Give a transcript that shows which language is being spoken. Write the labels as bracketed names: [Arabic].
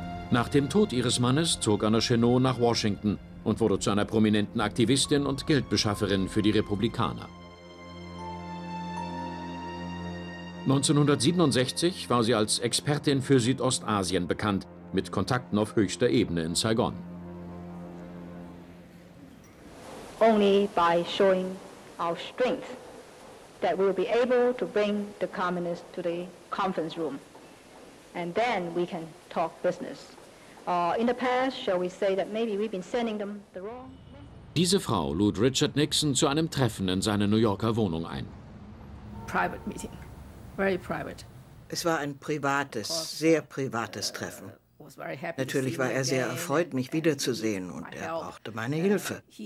[German] Nach dem Tod ihres Mannes zog Anna Chennault nach Washington und wurde zu einer prominenten Aktivistin und Geldbeschafferin für die Republikaner. 1967 war sie als Expertin für Südostasien bekannt, mit Kontakten auf höchster Ebene in Saigon. [English] Only by showing our strength that we will be able to bring the communists to the conference room. And then we can talk business. In the past, shall we say that maybe we've been sending them the wrong message? [German] Diese Frau lud Richard Nixon zu einem Treffen in seine New Yorker Wohnung ein. [English] Private meeting. Very private. [German] Es war ein privates, sehr privates Treffen. Natürlich war er sehr erfreut, mich wiederzusehen, und er brauchte meine Hilfe.